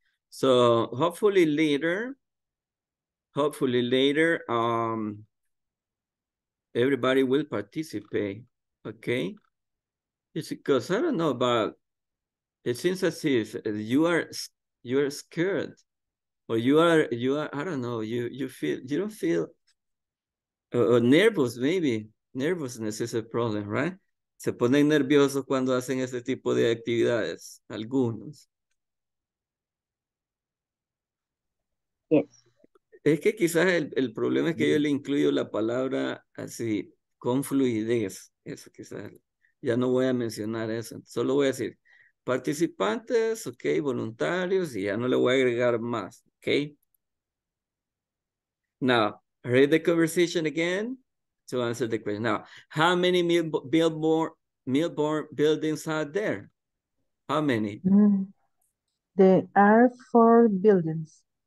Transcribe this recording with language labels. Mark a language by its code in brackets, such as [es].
[en] So hopefully later, everybody will participate, okay? It's because I don't know, but it seems as if you're scared, or you are, I don't know, you don't feel nervous, maybe. Nervousness is a problem, right? [es] Se ponen nerviosos cuando hacen este tipo de actividades, algunos. [en] Yes. [es] Es que quizás el problema es que yo le incluyo la palabra así, con fluidez, eso quizás, ya no voy a mencionar eso, solo voy a decir, participantes, ok, voluntarios, y ya no le voy a agregar más, ok. [en] Now, read the conversation again to answer the question. Now, how many billboard buildings are there? How many? There are 4 buildings.